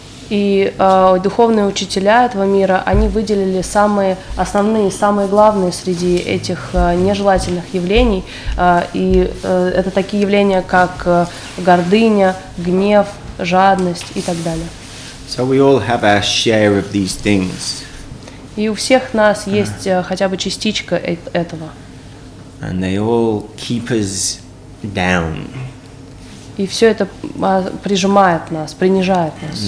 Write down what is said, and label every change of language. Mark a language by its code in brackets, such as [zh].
[ru] И духовные учителя этого мира, они выделили самые основные, самые главные среди этих нежелательных явлений. Это такие явления, как гордыня, гнев, жадность и так далее. [en] So we all have our share of these things. [ru] И у всех нас есть хотя бы частичка этого. [en] And they all keep us down. [ru] И все это прижимает нас, принижает нас.